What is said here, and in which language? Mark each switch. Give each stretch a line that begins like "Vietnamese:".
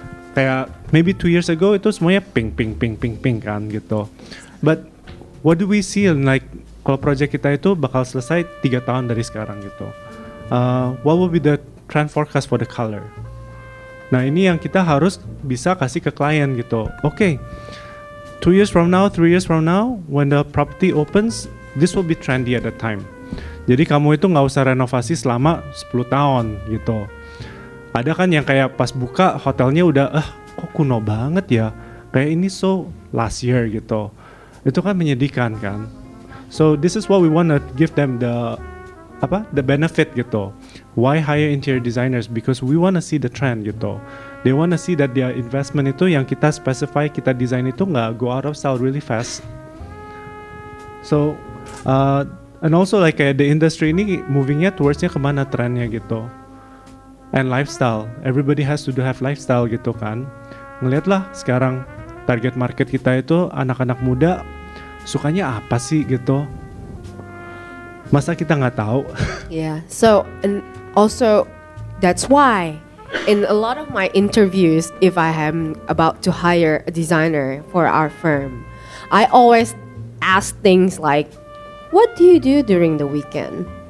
Indonesian: Kayak
English: maybe 2 years ago
Indonesian: itu semuanya pink, pink, pink, pink, pink kan gitu.
English: But what do we see in like,
Indonesian: kalau project kita itu bakal selesai 3 tahun dari sekarang gitu.
English: What will be the trend forecast for the color?
Indonesian: Nah ini yang kita harus bisa kasih ke klien gitu.
English: Okay, 2 years from now, 3 years from now, when the property opens, this will be trendy at that time.
Indonesian: Jadi kamu itu gak usah renovasi selama 10 tahun gitu. Ada kan yang kayak pas buka hotelnya udah, kok kuno banget ya? Kayak ini
English: so last year
Indonesian: gitu. Itu kan menyedihkan kan?
English: So this is what we wanna give them the benefit gitu. Why hire interior designers? Because we wanna see the trend gitu. They wanna see that their investment
Indonesian: itu yang kita
English: specify, kita design itu gak go out of style really fast. So, and also like the industry
Indonesian: ini movingnya towardsnya kemana trendnya gitu.
English: And lifestyle, everybody has to have lifestyle gitu kan.
Indonesian: Ngelihatlah sekarang target market kita itu anak-anak muda sukanya apa sih gitu. Masa kita gak tahu?
English: Yeah, so and also that's why in a lot of my interviews, if I am about to hire a designer for our firm, I always ask things like, what do you do during the weekend?